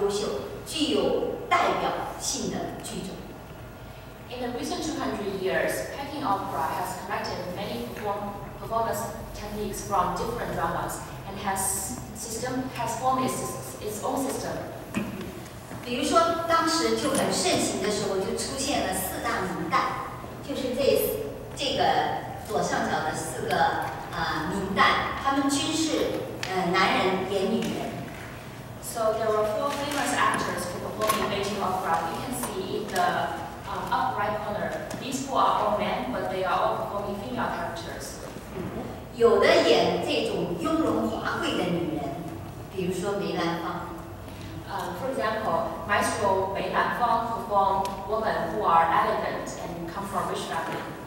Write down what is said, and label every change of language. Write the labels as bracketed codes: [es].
[zh] 它一直到了这个近200年的时候，就是说京剧形成以后啊，它就基本上是集大家之长，成为一个非常非常优秀、具有代表性的剧种。 [en] In the recent 200 years, Peking Opera has collected many performance techniques from different dramas and has formed its own system. [zh] 比如说，当时就很盛行的时候，就出现了四大名旦，就是这个左上角的四个名旦，他们均是男人演女人。 [en] So there were four famous actors who performed in Beijing Opera. You can see in the upright corner, these four are all men, but they are all performing female characters. [zh] 有的演这种雍容华贵的女人，比如说梅兰芳。 [en] For example, Maestro Mei Lanfang perform women who are elegant and come from rich family.